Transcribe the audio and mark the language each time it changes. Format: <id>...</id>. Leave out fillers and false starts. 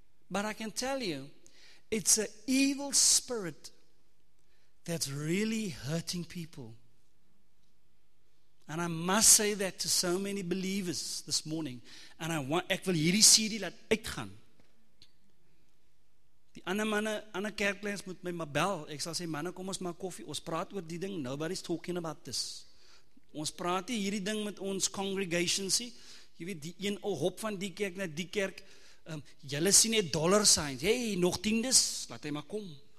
<en>But I can tell you, it's an evil spirit that's really hurting people. And I must say that to so many believers this morning. And I want,</en> <af>ek wil hierdie serie laat uitgaan. Die ander manne, ander kerkleiers moet my maar bel. Ek sal sê, manne, kom ons maak koffie. Ons praat oor die ding.</af> <en>Nobody's talking about this.</en> <af>Ons praat hierdie ding met ons congregations. Jy weet, die een hop van die kerk na die kerk. Julle sien net dollar signs. Hey, nog tiendes, laat hy maar kom.</af>